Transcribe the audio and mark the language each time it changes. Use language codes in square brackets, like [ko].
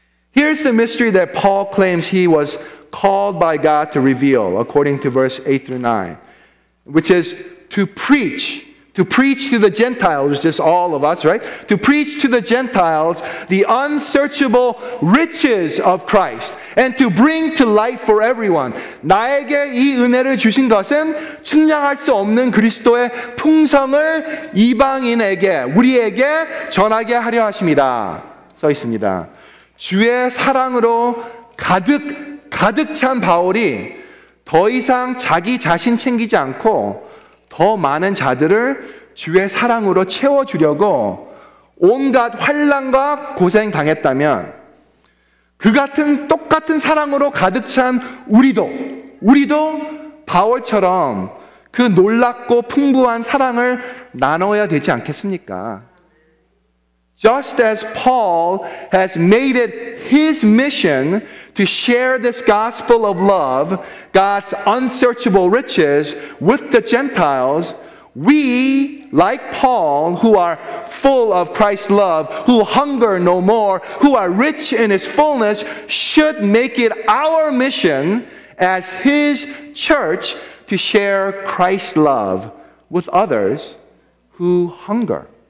[en] Here's the mystery that Paul claims he was called by God to reveal, according to verse 8 through 9. Which is to preach to the Gentiles, just all of us, right? To preach to the Gentiles the unsearchable riches of Christ and to bring to light for everyone. [ko] 나에게 이 은혜를 주신 것은 측량할 수 없는 그리스도의 풍성을 이방인에게, 우리에게 전하게 하려 하십니다. 써 있습니다. 주의 사랑으로 가득 찬 바울이 더 이상 자기 자신 챙기지 않고 더 많은 자들을 주의 사랑으로 채워주려고 온갖 환난과 고생 당했다면 그 같은 똑같은 사랑으로 가득 찬 우리도 바울처럼 그 놀랍고 풍부한 사랑을 나눠야 되지 않겠습니까? [en] Just as Paul has made it his mission to share this gospel of love, God's unsearchable riches, with the Gentiles, we, like Paul, who are full of Christ's love, who hunger no more, who are rich in his fullness, should make it our mission as his church to share Christ's love with others who hunger.